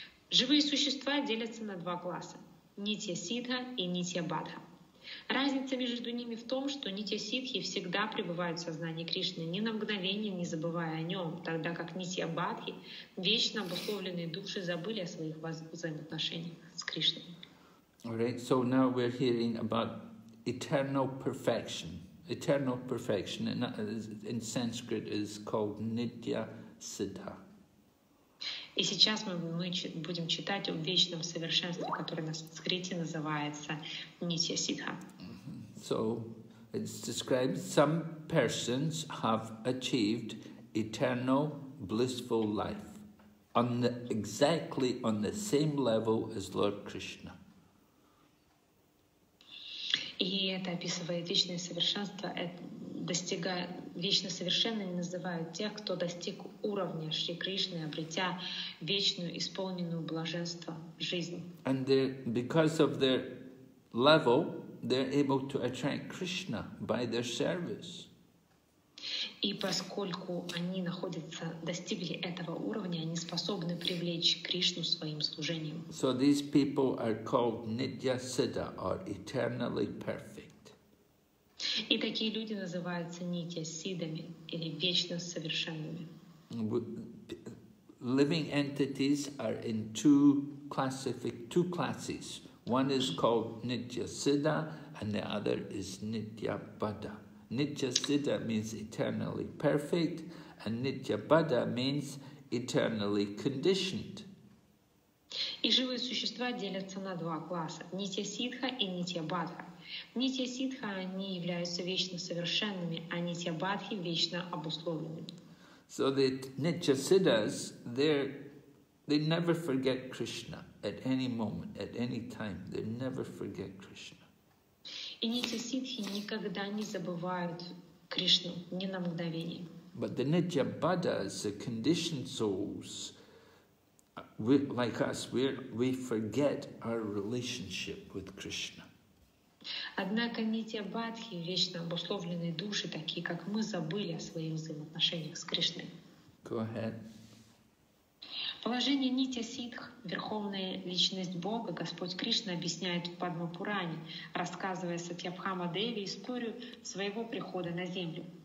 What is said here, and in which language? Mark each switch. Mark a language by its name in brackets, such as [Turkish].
[Russian] Живые существа делятся на два класса – нитья сидха и нитья бадха. Разница между ними в том, что нитья ситхи всегда пребывают в сознании Кришны, ни на мгновение не забывая о нем, тогда как нитья бадхи, вечно обусловленные души, забыли о своих взаимоотношениях с Кришной. [English] Alright, so now we're hearing about eternal perfection. Eternal perfection in Sanskrit is called nitya siddha. [Russian] И сейчас мы будем читать о вечном совершенстве, которое на санскрите называется нитья сиддха. [English] So it's described some persons have achieved eternal blissful life on the, exactly on the same level as Lord Krishna. [Russian] И это описывает вечное совершенство, достигая вечно совершенными называют тех, кто достиг уровня Шри Кришны, обретя вечную исполненную блаженство жизнь. [English] And they, because of their level, they're able to attract Krishna by their service. [Russian] И поскольку они находятся, достигли этого уровня, они способны привлечь Кришну своим служением. [English] So these people are called Nitya Siddha, or eternally perfect. [Russian] И такие люди называются Нитья Сиддами, или вечно совершенными. [English] Living entities are in two classes. One is called Nitya Siddha, and the other is Nitya Buddha. Nitya Siddha means eternally perfect, and Nitya Buddha means eternally conditioned. [Russian] И живые существа делятся на два класса: Нитья Сиддха и Нитья Бадха. Нитья Сиддха они являются вечно совершенными, а Нитья Бадхи вечно обусловленными. [English] So the Nitya Siddhas, they never forget Krishna at any moment, at any time. They never forget Krishna. [Russian] И нитья сиддхи никогда не забывают Кришну, ни на мгновение. [English] But the nitya buddhas, the conditioned souls, we, like us, we forget our relationship with Krishna. [Russian] Однако нитья бадхи, вечно обусловленные души, такие как мы, забыли о своих взаимоотношениях с Кришной. [English] Go ahead. [Russian] Положение Нитья Сиддх, Верховная Личность Бога, Господь Кришна объясняет в Падмапуране, рассказывая Сатьябхама Деви историю своего прихода на землю.